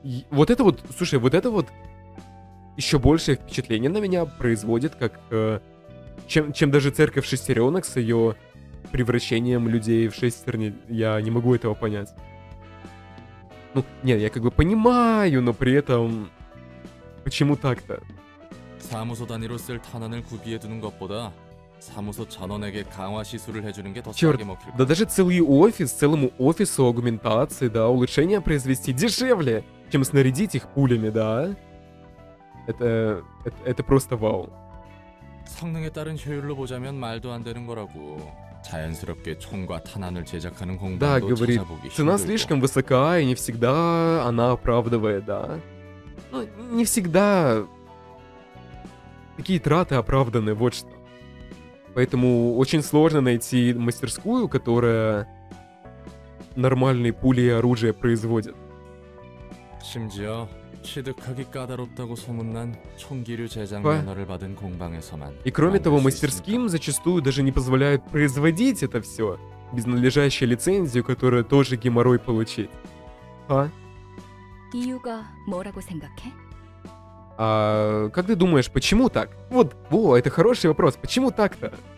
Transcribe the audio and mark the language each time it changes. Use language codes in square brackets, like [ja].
[ru] Вот это вот, слушай, вот это вот еще большее впечатление на меня производит, как чем даже церковь шестеренок с ее превращением людей в шестерни. Я не могу этого понять. Ну, нет, я как бы понимаю, но при этом почему так-то? [ko] 사무소 단위로 쓸 탄환을 구비해 두는 것보다 사무소 전원에게 강화 시술을 해주는 게 더 싸게 먹힐 거야. [ru] Да даже целый офис, целому офису аугментации, да, улучшения произвести дешевле, чем снарядить их пулями, да? Это просто вау. [ko] 성능에 따른 효율로 보자면 말도 안 되는 거라고. 자연스럽게 총과 탄환을 제작하는 공간도 찾아보기 힘들고. [ru] Да, говорит, цена слишком высока, и не всегда она оправдывает, да? Ну, не всегда... Такие траты оправданы, вот что. Поэтому очень сложно найти мастерскую, которая нормальные пули и оружие производит. [ko] 심지어 취득하기 까다롭다고 소문난 총기류 제작 면허를 받은 공방에서만. [ru] И кроме того, мастерским зачастую даже не позволяют производить это все без надлежащей лицензии, которую тоже геморрой получить. А? [ko] 이유가 뭐라고 생각해? [ru] А как ты думаешь, почему так? Вот, во, это хороший вопрос. Почему так-то?